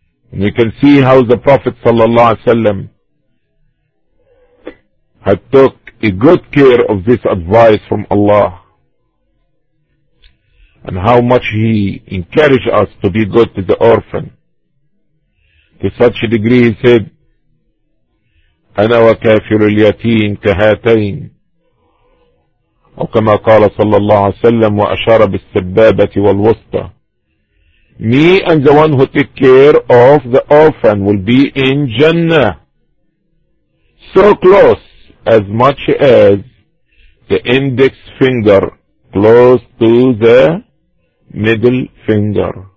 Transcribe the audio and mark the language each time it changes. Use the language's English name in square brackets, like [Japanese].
[English] And you can see how the Prophet sallallahu alaihi wasallam had took a good care of this advice from Allah. And how much he encouraged us to be good to the orphan. To such a degree he said, [Arabic] أَنَا وَكَافِرُ الْيَتِيمِ كَهَاتَيْنِ أو كما قال صلى الله عليه وسلم وأشار بالسبابة والوسطى. [English] Me and the one who take care of the orphan will be in Jannah. So close, as much as the index finger close to the middle finger.